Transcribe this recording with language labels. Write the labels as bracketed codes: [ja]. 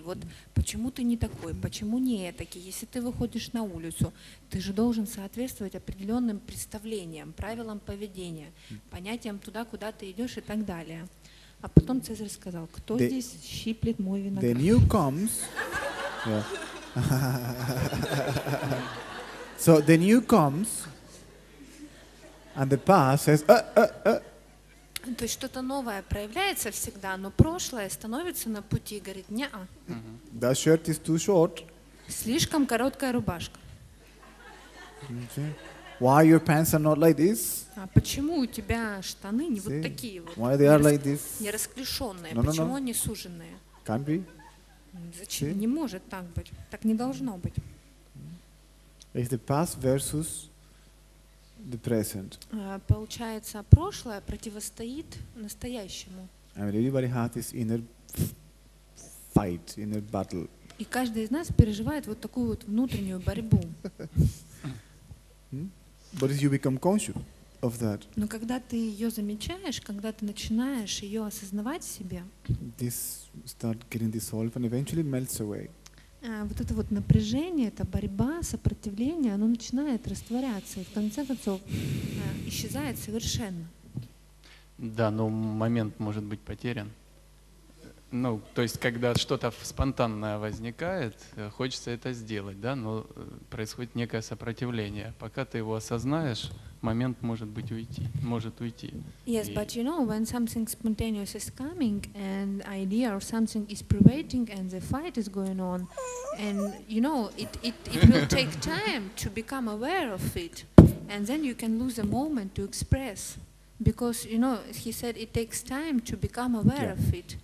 [ru] Вот почему ты не такой, почему не этакий? Если ты выходишь на улицу, ты же должен соответствовать определенным представлениям, правилам поведения, понятиям туда, куда ты идешь и так далее. А потом Цезарь сказал: кто [en] the, [ru] здесь щиплет мой виноград? [en] The new comes. So the new comes, and the past says, [ru] То есть что-то новое проявляется всегда, но прошлое становится на пути и говорит: неа. [en] That shirt is too short. [ru] Слишком короткая рубашка. [en] Why your pants are not like this? [ru] А почему у тебя штаны не вот такие вот? [en] Why they are like this? [ru] Не расклешенные. Почему они суженные? [en] Can't be. [ru] Зачем? Не может так быть. Так не должно быть. [en] It's the past versus the present. [ru] Получается, прошлое противостоит настоящему. [en] I mean, everybody has this inner fight, inner battle. [ru] И каждый из нас переживает вот такую вот внутреннюю борьбу. [en] But as you become conscious of that. [ru] Но когда ты ее замечаешь, когда ты начинаешь ее осознавать в себе. [en] This start getting dissolved and eventually melts away. [ru] Вот это вот напряжение, эта борьба, сопротивление, оно начинает растворяться и в конце концов исчезает совершенно. Да, но момент может быть потерян. Ну, то есть, когда что-то спонтанное возникает, хочется это сделать, да, но происходит некое сопротивление. Пока ты его осознаешь, момент может быть уйти, может уйти. [en] Yes, but you know, when something spontaneous is coming, and idea or something is pervading, and the fight is going on, and you know, it will take time to become aware of it, and then you can lose a moment to express. Because, you know, he said it takes time to become aware of it.